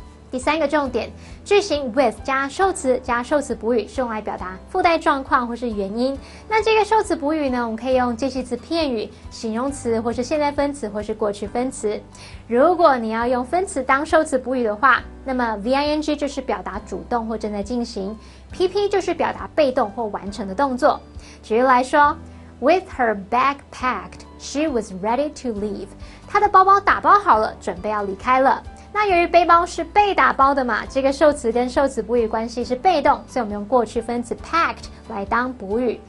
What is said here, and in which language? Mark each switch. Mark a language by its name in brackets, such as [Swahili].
[Chinese] 第三个重点，句型 with 加受词加受词补语是用来表达附带状况或是原因。那这个受词补语呢，我们可以用介系词片语、形容词或是现在分词或是过去分词。如果你要用分词当受词补语的话，那么 ving 就是表达主动或正在进行， pp 就是表达被动或完成的动作。举例来说， [English] with her bag packed, she was ready to leave. [Chinese] 她的包包打包好了，准备要离开了。那由于背包是被打包的嘛，这个受词跟受词补语关系是被动，所以我们用过去分词 packed 来当补语。